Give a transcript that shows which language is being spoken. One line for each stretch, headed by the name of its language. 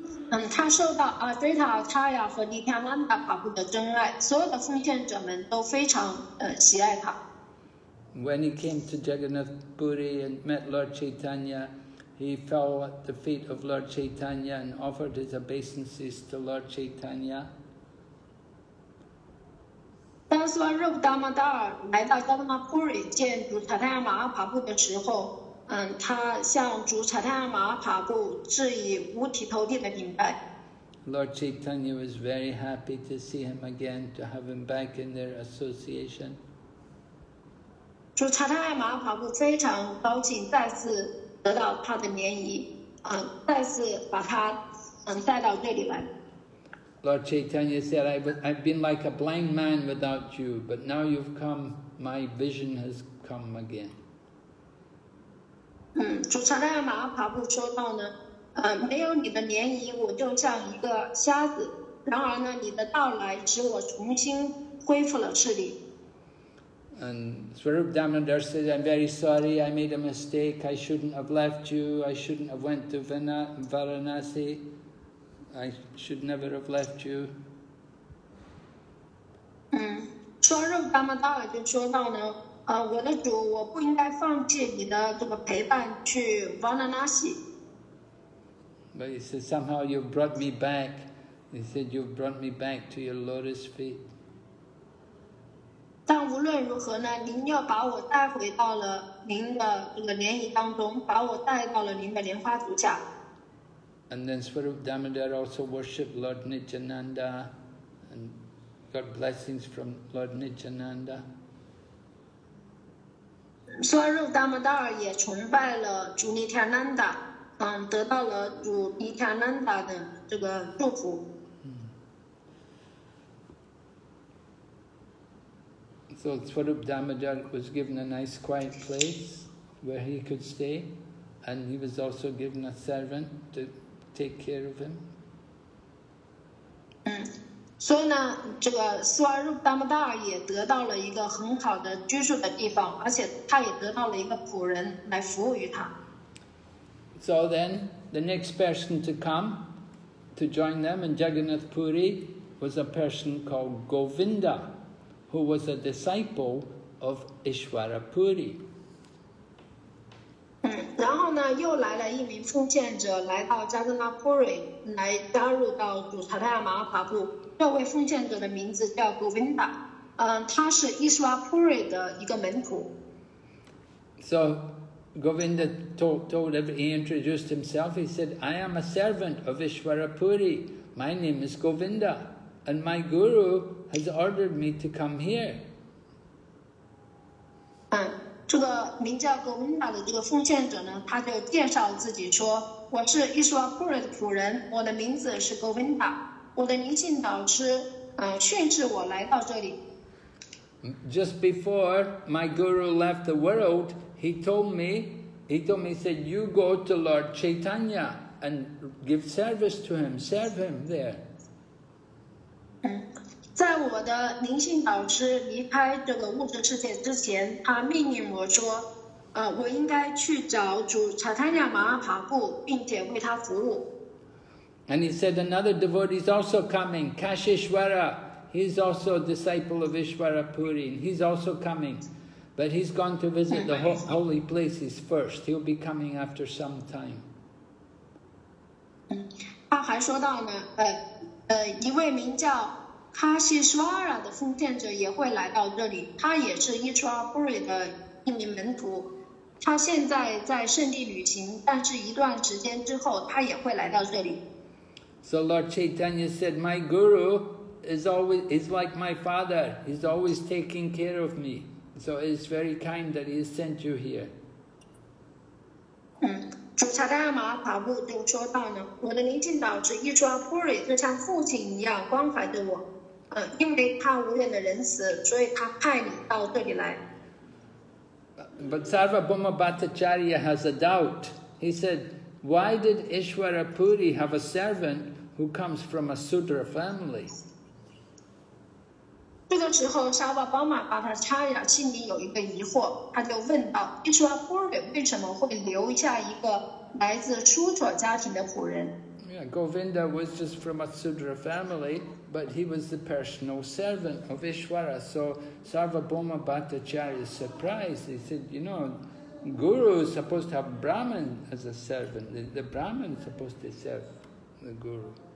English: When he came to Jagannath Puri and met Lord Chaitanya, he fell at the feet of Lord Chaitanya and offered his obeisances to Lord Chaitanya.
Chinese: 当斯瓦若布达玛达尔来到加德纳普里见主查泰亚玛阿帕布的时候，他向主查泰亚玛阿帕布致以五体投地的礼拜。
English: Lord Chaitanya was very happy to see him again, to have him back in their association.
Chinese: 主查泰亚玛阿帕布非常高兴再次得到他的联谊，再次把他带到这里来。
English: Lord Chaitanya said, I've been like a blind man without you, but now you've come, my vision has come again.
Chinese: 主查亚玛阿帕布说到呢，没有你的联谊，我就像一个瞎子。然而呢，你的到来使我重新恢复了视力。
English: And Swarup Damodar said, I'm very sorry, I made a mistake, I shouldn't have left you, I shouldn't have went to Varanasi. I should never have left you.
Chinese: 说肉达玛达尔就说到呢，我的主，我不应该放弃你的这个陪伴去 Varanasi。
English: But he said somehow you've brought me back. He said you've brought me back to your lotus feet.
Chinese: 但无论如何呢，您又把我带回到了您的这个莲谊当中，把我带到了您的莲花足下。
English: And then Swarup Damodar also worshipped Lord Nityananda and got blessings from Lord Nityananda.
Chinese: Swarup Damodar 也崇拜了主 Nityananda, 得到了主 Nityananda 的这个祝福。
English: So Swarup Damodar was given a nice quiet place where he could stay, and he was also given a servant to. Take care of him. So, this Swarup Damodar also got a good place to live, and he also got a servant to take care of him. So then, the next person to come to join them in Jagannath Puri was a person called Govinda, who was a disciple of Ishwara Puri.
Chinese: 然后呢又来了一名奉献者来到加德纳普瑞来加入到主查泰亚马哈帕布。这位奉献者的名字叫 Govinda， 他是伊斯瓦普瑞的一个门徒。
English: So Govinda told him, he introduced himself, he said, I am a servant of Ishwarapuri, my name is Govinda, and my guru has ordered me to come here.
Chinese: 这个名叫 Govinda 的这个奉献者呢，他就介绍自己说，我是 Ishwarapuri 的仆人，我的名字是 Govinda， 我的灵性导师训斥我来到这里。
English: Just before my guru left the world, he told me, he said, you go to Lord Chaitanya and give service to him, serve him there.
Chinese: 在我的灵性导师离开这个物质世界之前，他命令我说，我应该去找主查坦亚马哈帕布，并且为他服务。
English: And he said, another devotee is also coming, Kashishwara. He's also a disciple of Ishwarapuri, and he's also coming. But he's gone to visit the holy places first. He'll be coming after some time.
Chinese: 他还说到呢，一位名叫卡西斯瓦拉的奉献者也会来到这里。他也是伊斯瓦布瑞的一名门徒。他现在在圣地旅行，但是一段时间之后，他也会来到这里。
English: So Lord Chaitanya said, "My guru is like my father. He's always taking care of me." So it's very kind that he has sent you here.
Chinese: 主查达亚马哈帕布就说到呢，我的灵性导师伊斯瓦普瑞就像父亲一样关怀着我，因为他无怨的仁慈，所以他派你到这里来。
English: But Sarvabhauma Bhattacharya has a doubt. He said, why did Ishwarapuri have a servant who comes from a sutra family?
Chinese: 这个时候，沙瓦宝马巴塔查亚心里有一个疑惑，他就问道：“伊斯瓦普瑞为什么会留下一个来自苏卓家庭的仆人
English: ？”Yeah, Govinda was just from a sudra family, but he was the personal servant of Ishwara. So Sarvabhauma Bhattacharya is surprised. He said, "You know, guru is supposed to have Brahman as a servant. The Brahman is supposed to serve the guru."